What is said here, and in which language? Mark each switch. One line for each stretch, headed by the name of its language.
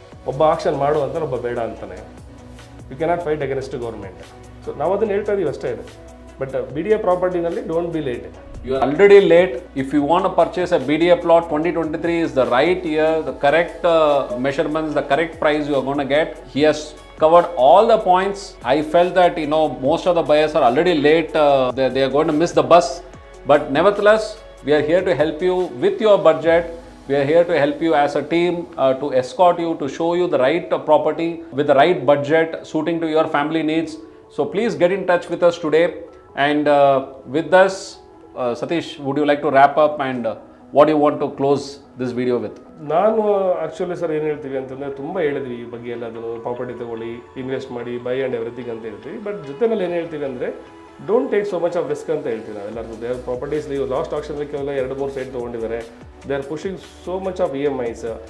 Kannada: ಒಬ್ಬ ಆಕ್ಷನ್ ಮಾಡು ಅಂತಾರೆ, ಒಬ್ಬ ಬೇಡ ಅಂತಾನೆ.
English: You cannot fight against government. So
Kannada: ನಾವು ಅದನ್ನು ಹೇಳ್ತಾ ಇದೀವಿ ಅಷ್ಟೇ ಇದೆ.
English: But B D A ಪ್ರಾಪರ್ಟಿನಲ್ಲಿ don't be late. You are already late. If you want purchase a B D A plot 2023 is the right year, the correct measurements, the correct price you are gonna get. He has covered all the points. I felt that, you know, most of the buyers are already late, they are going to miss the bus. But nevertheless, we are here to help you with your budget. We are here to help you as a team, to escort you, to show you the right property with the right budget suiting to your family needs. So please get in touch with us today. And with us, Satish, would you like to wrap up, and what do you want to close this video with?
Kannada: ನಾನು actually sir ಏನು ಹೇಳ್ತೀವಿ ಅಂತಂದರೆ, ತುಂಬ ಹೇಳಿದ್ವಿ ಈ ಬಗ್ಗೆ ಎಲ್ಲ, ಅದನ್ನು ಪ್ರಾಪರ್ಟಿ ತೊಗೊಳ್ಳಿ, ಇನ್ವೆಸ್ಟ್ ಮಾಡಿ, ಬೈ ಆ್ಯಂಡ್ ಎವ್ರಿಥಿಂಗ್ ಅಂತ ಹೇಳ್ತೀವಿ. ಬಟ್ ಜೊತೆನಲ್ಲಿ ಏನು ಹೇಳ್ತೀವಿ ಅಂದರೆ,
English: don't take so much of risk
Kannada: ಅಂತ ಹೇಳ್ತೀವಿ ನಾವೆಲ್ಲರಿಗೂ. ದೇರ್ ಪ್ರಾಪರ್ಟೀಸ್ಲಿ ಲಾಸ್ಟ್ ಆಕ್ಷನ್ಲಿ ಕೇವಲ 2-3 site ತೊಗೊಂಡಿದ್ದಾರೆ.
English: They are pushing so much of EMIs.